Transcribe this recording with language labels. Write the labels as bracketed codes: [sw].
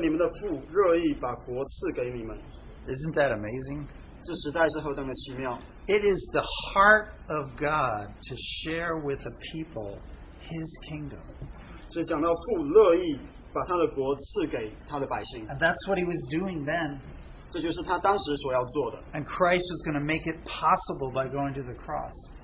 [zh] 这里讲到,你们这小群不要害怕,不要惧怕,因为你们的父乐意把国赐给你们。 [en] Isn't that amazing? [zh] 这实在是何等的奇妙。 [en] It is the heart of God to share with the people His kingdom. [zh] 这讲到父乐意把他的国赐给他的百姓。 [en] And that's what He was doing then. And Christ was going to make it possible by going to the cross.